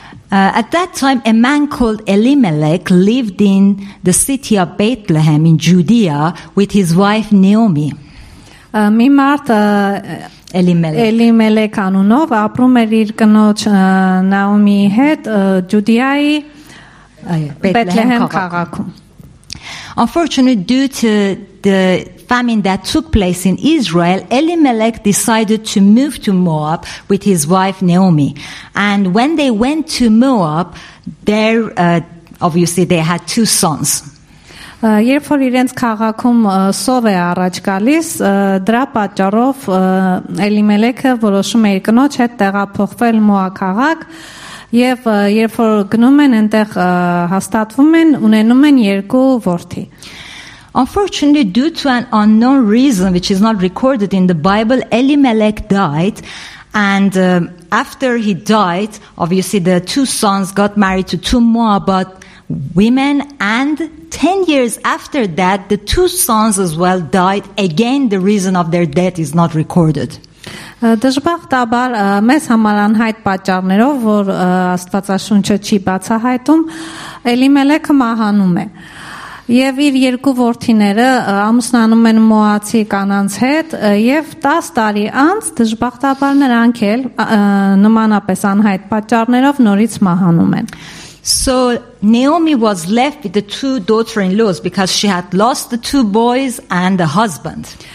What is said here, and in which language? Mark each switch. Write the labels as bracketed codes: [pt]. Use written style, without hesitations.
[en] At that time a man called Elimelech lived in the city of Bethlehem in Judea with his wife Naomi. [hy] Մի մարդ Elimelech անունով ապրում էր իր կնոջ Naomi հետ Ջուդիայի Բեթլեհեմ քաղաքում։ [en] Unfortunately, due to the famine that took place in Israel, Elimelech decided to move to Moab with his wife Naomi. And when they went to Moab, there obviously they had two sons. [hy] Երբ որ իրենց քաղաքում սով է առաջ գալիս, դրա պատճառով Էլիմելեքը որոշում է իր կնոջ հետ տեղափոխվել Մոաբ քաղաք։ Եվ երբ որ գնում են այնտեղ հաստատվում են ունենում են երկու որդի։ [en] Unfortunately, due to an unknown reason which is not recorded in the Bible, Elimelech died, and after he died, obviously the two sons got married to two Moabite women, and 10 years after that the two sons as well died. Again, the reason of their death is not recorded. [hy] Դժբախտաբար մեզ համար անհայտ պատճառներով, որ Աստվածաշունչը չի բացահայտում, Էլիմելեքը մահանում է։ Եվ իր երկու որդիները ամուսնանում են Մոաբի կանանց հետ, եւ 10 տարի անց դժբախտաբար նրանք էլ նմանապես անհայտ պատճառներով նորից մահանում են։ [en] So Naomi was left with the two daughter-in-laws because she had lost the two boys and the husband.